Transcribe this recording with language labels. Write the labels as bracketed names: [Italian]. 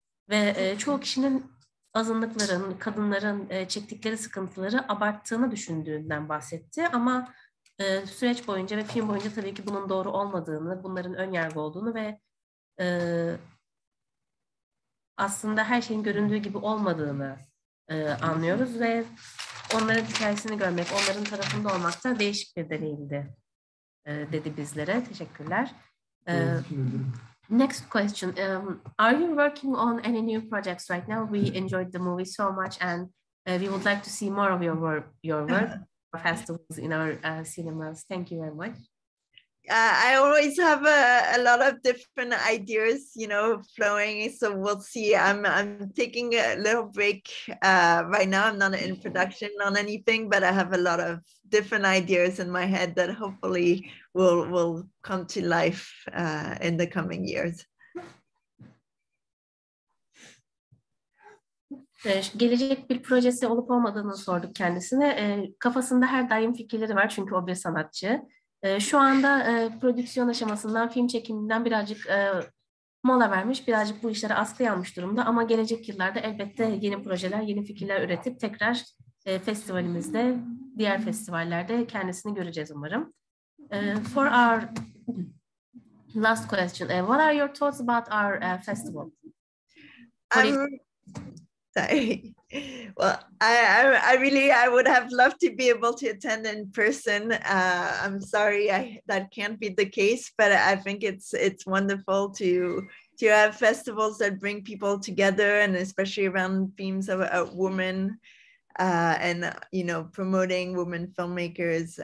[Turkish] Ve çoğu kişinin azınlıkların, kadınların çektikleri sıkıntıları abarttığını düşündüğünden bahsetti ama süreç boyunca ve film boyunca tabii ki bunun doğru olmadığını, bunların ön yargı olduğunu ve aslında her şeyin göründüğü gibi olmadığını anlıyoruz ve onların hikayesini görmek, onların tarafında olmak da değişik bir deneyimdi dedi bizlere. Teşekkürler. [English] Next question. Are you working on any new projects right now? We enjoyed the movie so much and we would like to see more of your work. Festivals in our cinemas. Thank you very much. I always have a lot of different ideas, you know, flowing. So we'll see. I'm taking a little break right now. I'm not in production on anything, but I have a lot of different ideas in my head that hopefully will come to life in the coming years. [Turkish] Gelecek bir projesi olup olmadığını sorduk kendisine. Kafasında her daim fikirleri var çünkü o bir sanatçı. Şu anda prodüksiyon aşamasından, film çekiminden birazcık mola vermiş, birazcık bu işlere askıya almış durumda. Ama gelecek yıllarda elbette yeni projeler, yeni fikirler üretip tekrar festivalimizde, diğer festivallerde kendisini göreceğiz umarım. [English] For our last question, what are your thoughts about our festival? Sorry. Well, I really would have loved to be able to attend in person. I'm sorry that can't be the case, but I think it's wonderful to have festivals that bring people together, and especially around themes of women, and, you know, promoting women filmmakers.